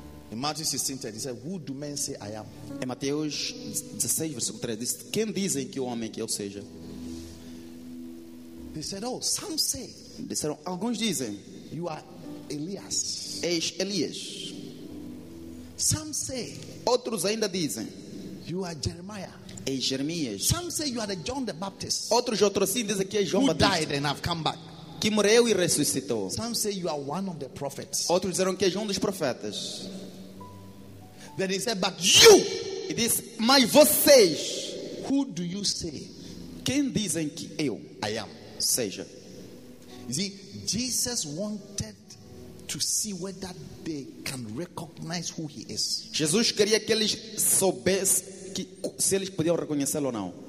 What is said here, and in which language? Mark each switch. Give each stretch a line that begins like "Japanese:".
English: in Matthew 16, he said, who do men say I am?
Portuguese: Em Mateus 16, versículo 3, diz, quem dizem que o homem que eu seja?
English: They said, oh, some say,
Portuguese: disseram, alguns dizem,
English: you are Elias.
Portuguese: Eis Elias.
English: Some say,
Portuguese: outros ainda dizem,
English: you are Jeremiah.
Portuguese: E Jeremias.
English: Some say you are the John the Baptist.
Portuguese: Outros sim dizem que é João
English: who
Portuguese: Batista.
English: Died and have come back.
Portuguese: Que morreu e ressuscitou.
English: Some say you are one of the prophets.
Portuguese: Outros disseram que é João dos profetas.
English: Then he said, but you.
Portuguese: E disse, mas vocês.
English: Who do you say?
Portuguese: Quem dizem que eu.
English: I am.
Portuguese: Seja.
English: You see, Jesus wanted to see whether they can recognize who he is.
Portuguese: Jesus queria que eles soubessem que, se eles podiam reconhecê-lo ou não.